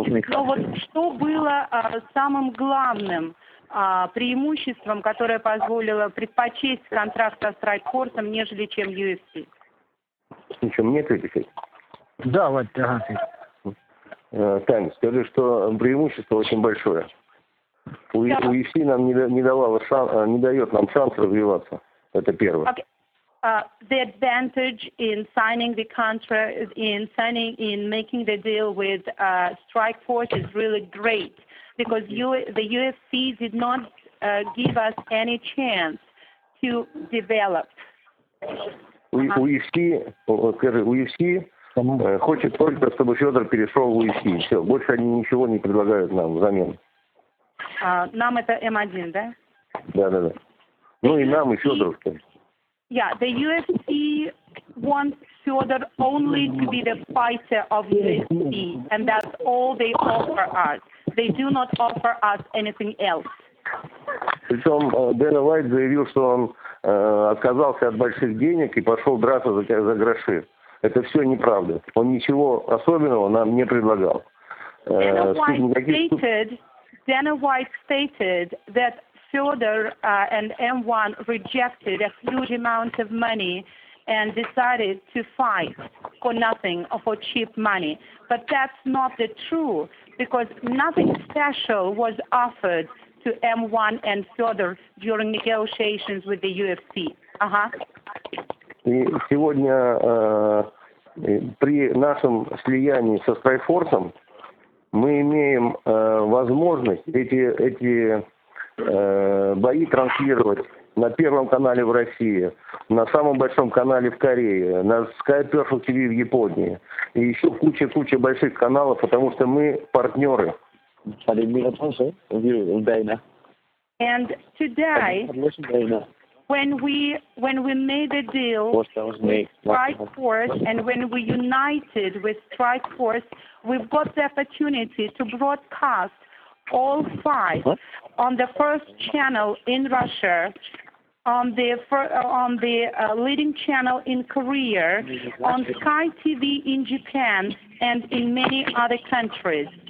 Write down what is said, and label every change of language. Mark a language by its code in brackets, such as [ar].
[ru] Но вот что было самым главным преимуществом, которое позволило предпочесть контракт со Strikeforce, нежели чем UFC? Ничего, мне ответить? Да, Вадь, ага. Таня, скажи, что преимущество очень большое. У UFC нам не дает нам шанс развиваться. Это первое. [en] Okay. The advantage in signing the contract, in making the deal with Strikeforce is really great, because the UFC did not give us any chance to develop. [ru] UFC хочет только, чтобы Федор перешел в UFC. Все, больше они ничего не предлагают нам взамен. Нам это M1, да? Да. Ну и нам, и Федору. [en] Yeah, the UFC wants order only to be the fighter of this sea, and that's all they offer us. They do not offer us anything else. [ru] Причем Дэна Уайт заявил, что он отказался от больших денег и пошел драться за гроши. Это все неправда. Он ничего особенного нам не предлагал. [en] Дэна Уайт stated that Fyodor and M1 rejected a huge amount of money and decided to fight for nothing or for cheap money. But that's not the truth, because nothing special was offered to M1 and Fyodor during negotiations with the UFC. [ru] И сегодня при нашем слиянии со Strikeforce мы имеем возможность эти бои транслировать на первом канале в России, на самом большом канале в Корее, на Sky Perfect TV в Японии и еще куча больших каналов, потому что мы партнеры. [en] And today, when we made the deal with Strikeforce and when we united with Strikeforce, we've got the opportunity to broadcast all five on the first channel in Russia, on the leading channel in Korea, on Sky TV in Japan, and in many other countries.